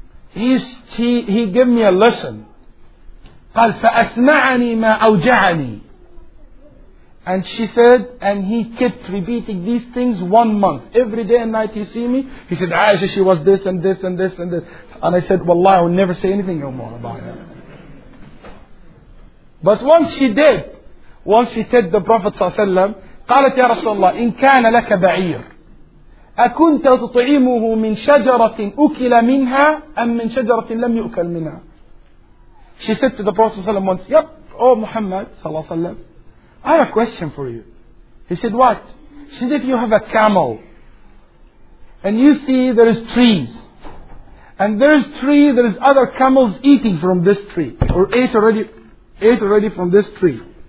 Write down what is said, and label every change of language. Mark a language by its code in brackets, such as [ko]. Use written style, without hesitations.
[en] He gave me a lesson. [ar] قال فَأَسْمَعَنِي مَا أَوْجَعَنِي. [en] And she said, and he kept repeating these things 1 month. Every day and night you see me, he said, Aisha, she was this and this and this and this. And I said, wallahi, I will never say anything no more about her. But once she did, the Prophet ﷺ, [ar] قالت يا رسول الله, إن كان لك بعير, أكنت تطعمه من شجرة أكل منها أم من شجرة لم يؤكل منها? [en] She said to the Prophet ﷺ once, yep, oh Muhammad ﷺ, I have a question for you. He said, what? She said, if you have a camel, and you see there is trees, and there is other camels eating from this tree, or ate already from this tree.